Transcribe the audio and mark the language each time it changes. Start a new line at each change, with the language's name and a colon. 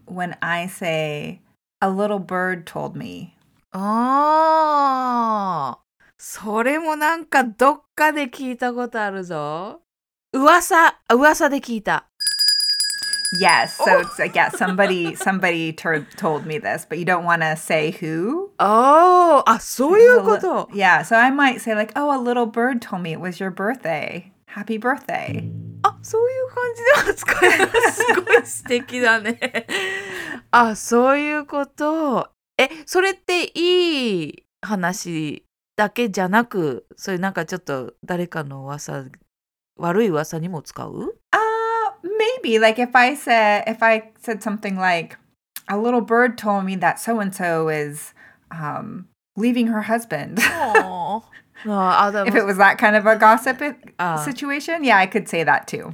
English: When I say a little bird told me?
Japanese: Oh, それもなんかどっかで聞いたことあるぞ。噂で聞いた。
English: Yes, so、oh. it's like, yeah, somebody told me this, but you don't want to say who.
Japanese: Oh, あ、そういうこと。
English: Yeah, so I might say like, oh, a little bird told me it was your birthday. Happy birthday.
Japanese: あ、そういう感じで扱える。すごい素敵だね。あ、そういうこと。え、それっていい話だけじゃなく、そういうなんかちょっと誰かの噂、悪い噂にも使う？
English: Maybe. Like if I said something like, a little bird told me that so-and-so is leaving her husband. If it was that kind of a gossip situation, yeah, I could say that too.